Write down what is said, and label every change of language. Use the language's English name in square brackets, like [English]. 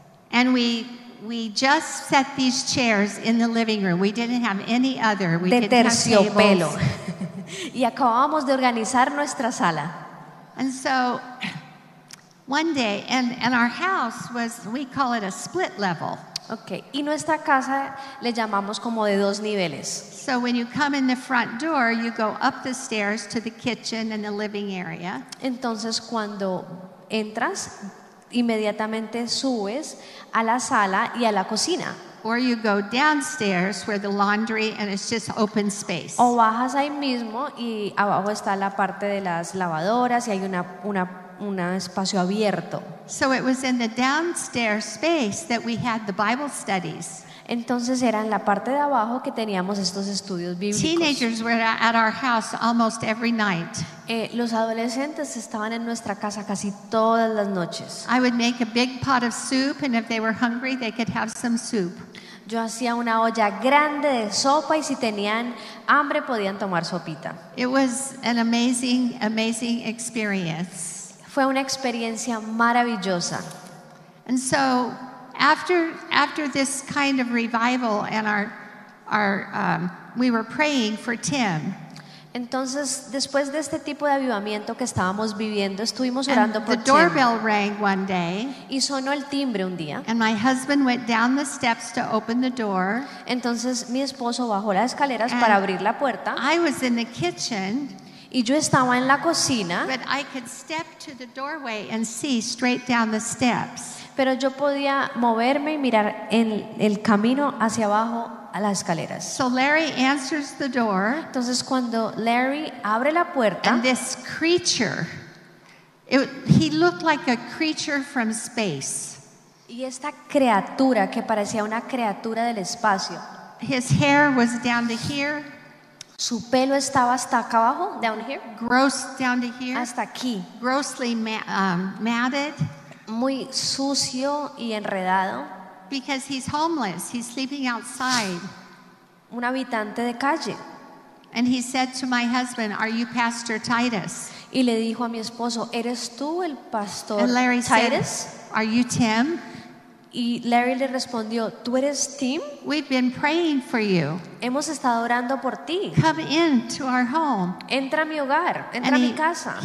[English] And we just set these chairs in the living room. We didn't have any other. We [Spanish] de [English] didn't [Spanish] terciopelo. [English] Have tables. [Spanish] y acabamos de organizar nuestra sala. [English] And so one day, and our house was, we call it a split level. [Spanish] Okay, y nuestra casa le llamamos como de dos niveles. [English] So when you come in the front door, you go up the stairs to the kitchen and the living area. [Spanish] Entonces cuando entras, inmediatamente subes a la sala y a la cocina. [English] Or you go downstairs where the laundry and it's just open space. [Spanish] O bajas ahí mismo y abajo está la parte de las lavadoras y hay un espacio abierto. [English] So it was in the downstairs space that we had the Bible studies. [Spanish] Entonces era en la parte de abajo que teníamos estos estudios bíblicos. [English] Teenagers were at our house almost every night. [Spanish] Los adolescentes estaban en nuestra casa casi todas las noches. [English] I would make a big pot of soup, and if they were hungry, they could have some soup. [Spanish] Yo hacía una olla grande de sopa y si tenían hambre podían tomar sopita. [English] It was an amazing, amazing experience. [Spanish] Fue una experiencia maravillosa. [English] And so after this kind of revival and we were praying for Tim. [Spanish] Entonces, después de este tipo de avivamiento que estábamos viviendo, estuvimos orando por [English] Tim. The doorbell rang one day. [Spanish] Y sonó el timbre un día. [English] And my husband went down the steps to open the door. [Spanish] Entonces, mi esposo bajó las escaleras para abrir la puerta. [English] I was in the kitchen. [Spanish] Y yo estaba en la cocina. [English] But I could step to the doorway and see straight down the steps. [Spanish] Pero yo podía moverme y mirar en el camino hacia abajo a las escaleras. [English] So Larry answers the door. [Spanish] Entonces cuando Larry abre la puerta, [English] and this creature, he looked like a creature from space. [Spanish] Y esta criatura que parecía una criatura del espacio. [English] His hair was down to here. [Spanish] Su pelo estaba hasta acá abajo, [English] down here. Gross down to here. [Spanish] Hasta aquí. [English] Grossly matted. [Spanish] Muy sucio y enredado. [English] Because he's homeless, he's sleeping outside. [Spanish] Un habitante de calle. [English] And he said to my husband, "Are you Pastor Titus?" [Spanish] Y le dijo a mi esposo, "¿Eres tú el pastor [English] Titus?" And Larry [Spanish] Titus? [English] Said, "Are you Tim?" [Spanish] Y Larry le respondió, "¿Tú eres Tim? [English] We've been praying for you. [Spanish] Hemos estado orando por ti. [English] Come into our home." [Spanish] Entra a mi hogar, entra a mi casa.